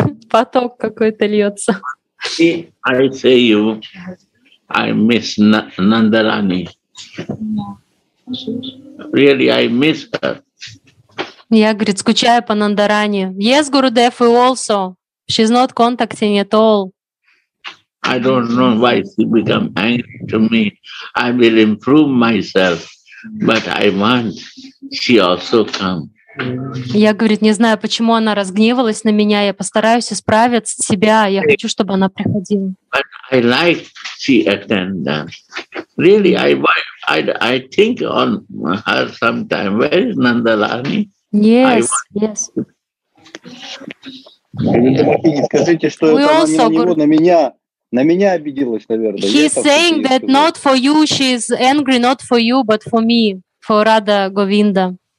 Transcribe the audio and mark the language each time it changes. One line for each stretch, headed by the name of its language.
Russian: Поток какой-то льется.
English: I say you, I miss Nandarani. Really, I miss her.
Russian: Я, говорит, скучаю по Нандарани.
English: Yes, Гурдев, you also. She's not contacting at all. I don't know why she become angry to me. I will improve myself. But I want she also come.
Russian: Я, говорит, не знаю, почему она разгневалась на меня. Я постараюсь исправить себя. Я хочу, чтобы она приходила.
English: But I like she attend. Really, I think on her sometime. Where is Nandarani? Yes, yes.
Russian: Скажите, что это она не на него, на меня. На меня обиделась, наверное.
English: He's saying that not for you, she's angry not for you, but for me, for Radha Govinda.